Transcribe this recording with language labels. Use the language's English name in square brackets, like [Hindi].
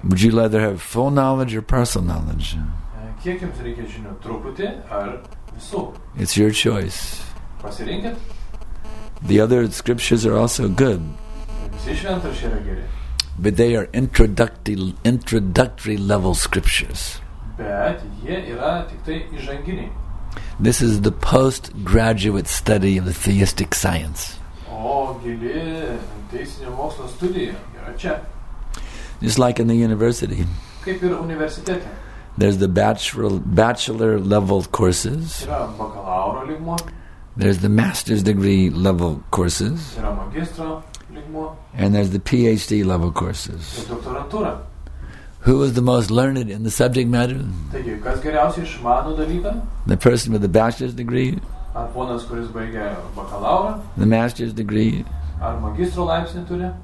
[English] would you rather have full knowledge or partial knowledge? [Lithuanian] Kiek jums reikia žinių, truputį ar visų? [English] It's your choice. [Lithuanian] Pasirinkit. [English] The other scriptures are also good. [Lithuanian] Visi šventraščiai yra geri. [English] But they are introductory level scriptures. [Lithuanian] Bet jie yra tik tai įžanginiai. [English] This is the postgraduate study of the theistic science. [Lithuanian] O gili teisinio mokslo studija yra čia. [English] Just like in the university. [Lithuanian] Kaip ir universitete. [English] There's the bachelor level courses. [Lithuanian] Yra bakalauro lygmo. [English] There's the master's degree level courses. [Lithuanian] Yra magistro lygmo. [English] And there's the PhD level courses. [Lithuanian] Ir doktorantūra. [English] Who is the most learned in the subject matter? [Lithuanian] Taigi, kas geriausiai išmano dalyką? [English] The person with the bachelor's degree? [Lithuanian] Ar ponas, kuris baigė bakalaurą? [English] The master's degree? [Lithuanian] Ar magistro laipsnį turi?